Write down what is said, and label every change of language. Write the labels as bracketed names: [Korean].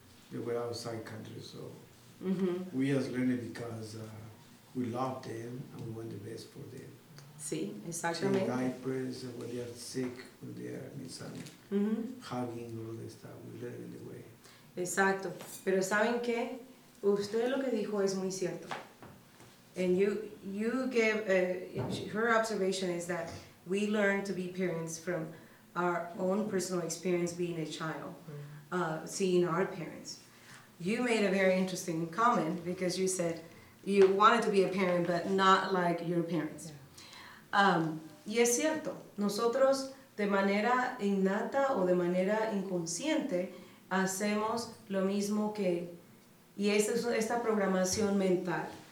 [English] They were outside countries, so we just learned because we loved them and we want the best for them. See, sí, exactly. And diapers and when they are sick, when they are missing, hugging, all this stuff. We learned in the way. [Spanish] Exacto. Pero saben que usted lo que dijo es muy cierto. [English] And you gave her observation is that we learn to be parents from our own personal experience being a child, seeing our parents. You made a very interesting comment because you said you wanted to be a parent, but not like your parents. Yeah. [Spanish] Y es cierto, nosotros de manera innata o de manera inconsciente hacemos lo mismo que, y esa es esta programación mental.